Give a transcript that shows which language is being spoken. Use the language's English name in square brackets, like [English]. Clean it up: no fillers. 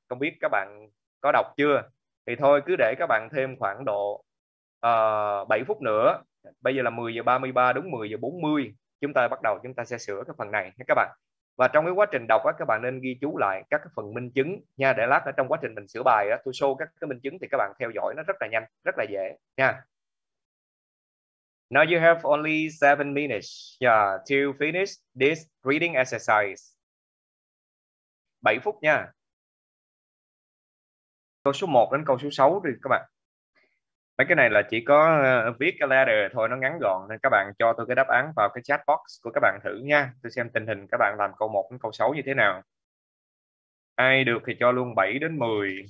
[Vietnamese] Không biết các bạn có đọc chưa? Thì thôi, cứ để các bạn thêm khoảng độ 7 phút nữa. Bây giờ là 10:33, đúng 10:40. Chúng ta bắt đầu, chúng ta sẽ sửa cái phần này nha các bạn. Và trong cái quá trình đọc á, các bạn nên ghi chú lại các cái phần minh chứng nha. Để lát ở trong quá trình mình sửa bài á, tôi show các cái minh chứng thì các bạn theo dõi nó rất là nhanh, rất là dễ nha. [English] Now you have only 7 minutes to finish this reading exercise. [Vietnamese] 7 phút nha. Câu số 1 đến câu số 6 đi các bạn. Mấy cái này là chỉ có viết cái letter thôi, nó ngắn gọn. Nên các bạn cho tôi cái đáp án vào cái chat box của các bạn thử nha. Tôi xem tình hình các bạn làm câu 1 đến câu 6 như thế nào. Ai được thì cho luôn 7 đến 10.